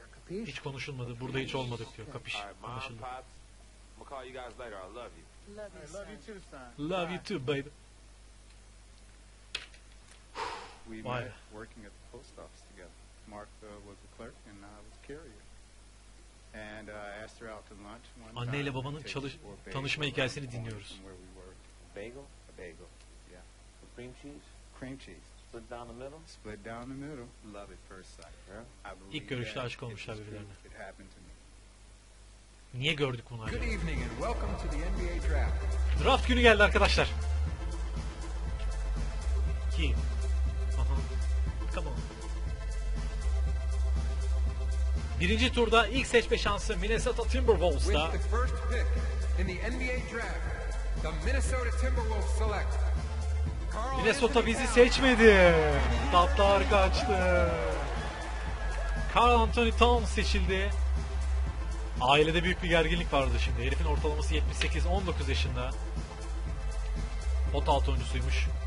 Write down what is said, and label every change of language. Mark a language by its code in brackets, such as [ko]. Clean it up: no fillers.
[tr] Hiç konuşulmadı, burada hiç olmadık diyor. Kapış. Anlaşıldı. [en] I'll call you guys later. I love you. Love you, love you too, son. Love you too, baby. We met working at the post office together. Martha was the clerk and I was carrier. And I asked her out to lunch one time. [tr] Anneyle babanın tanışma hikayesini dinliyoruz. [en] Bagel? A bagel. Yeah. Cream cheese? Cream cheese. Split down the middle? Split down the middle. Love at first sight. Yeah. [tr] İlk görüşte aşık olmuşlar birbirlerine. Niye gördük bunu acaba? [en] Good evening and welcome to the NBA draft. [tr] Draft günü geldi arkadaşlar. [en] Ki. Aha. Come on. [tr] Birinci turda ilk seçme şansı Minnesota Timberwolves'ta. [en] With the first pick in the NBA draft, the Minnesota Timberwolves select. [tr] Minnesota bizi seçmedi. Tatlar kaçtı. Karl Anthony Towns seçildi. Ailede büyük bir gerginlik vardı şimdi. Herifin ortalaması 78, 19 yaşında. Pot altı oyuncusuymuş.